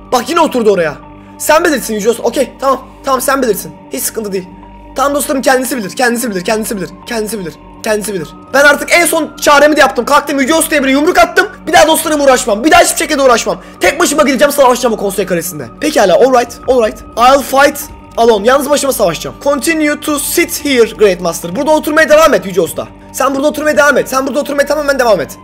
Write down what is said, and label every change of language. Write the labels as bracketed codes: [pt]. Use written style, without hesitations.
[tr] Bak yine oturdu oraya. Sen bilirsin Yüce Usta. Okey tamam. Tamam sen bilirsin. Hiç sıkıntı değil. Tamam dostlarım kendisi bilir. Kendisi bilir. Kendisi bilir. Kendisi bilir. Kendisi bilir. Ben artık en son çaremi de yaptım. Kalktım Yüce Usta'ya bir yumruk attım. Bir daha dostlarımla uğraşmam. Bir daha hiçbir şekilde uğraşmam. Tek başıma gideceğim savaşacağım o konsey karesinde. Pekala alright. Alright. [en] I'll fight alone. [tr] Yalnız başıma savaşacağım. [en] Continue to sit here Great Master. [tr] Burada oturmaya devam et Yüce Usta. Sen burada oturmaya devam et. Sen burada oturmaya tamamen devam et.